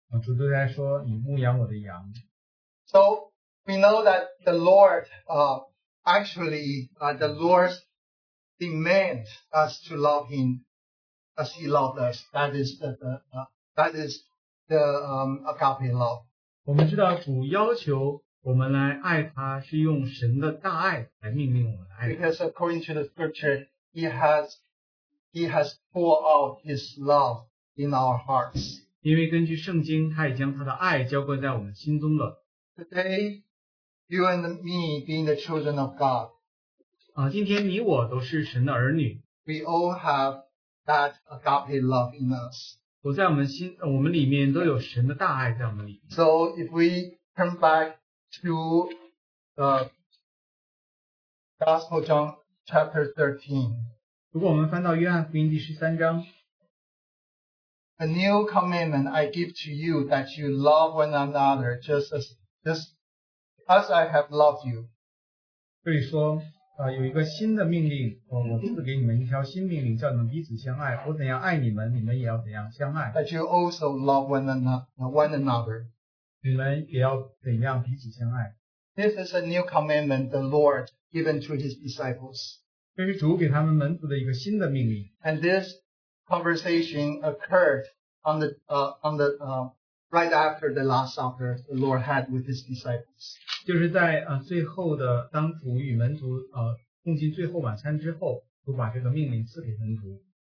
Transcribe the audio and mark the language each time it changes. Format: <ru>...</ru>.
<zh>主对他说，你牧养我的羊。</zh> <en>So we know that the Lord, the Lord'sDemand us to love him as he loved us. That is the agape love.</en> <zh>我们知道主要求我们来爱他，是用神的大爱来命令我们爱。</zh> <en>Because according to the scripture, he has poured out his love in our hearts.</en> <zh>因为根据圣经，他已将他的爱浇灌在我们心中了。</zh> <en>Today, you and me being the children of God.</en> <zh>今天你我都是神的儿女。</zh> <en>We all have that agape love in us.</en> <zh>我们里面都有神的大爱在我们里面。</zh> <en>So if we turn back to Gospel John chapter 13.</en> <zh>如果我们翻到约翰福音第十三章。</zh> <en>A new commandment I give to you that you love one another just as I have loved you.</en> <zh>这里说有一个新的命令我赐给你们一条新命令叫你们彼此相爱我怎样爱你们你们也要怎样相爱。</zh> <en>That you also love one another.</en> <zh>你们也要怎样彼此相爱。</zh> <en>This is a new commandment the Lord given to his disciples.</en> <zh>这是主给他们门徒的一个新的命令。</zh> <en>And this conversation occurred right after the last supper the Lord had with his disciples.</en> <zh>就是在最后的当主与门徒共进最后晚餐之后主把这个命令赐给门徒。</zh>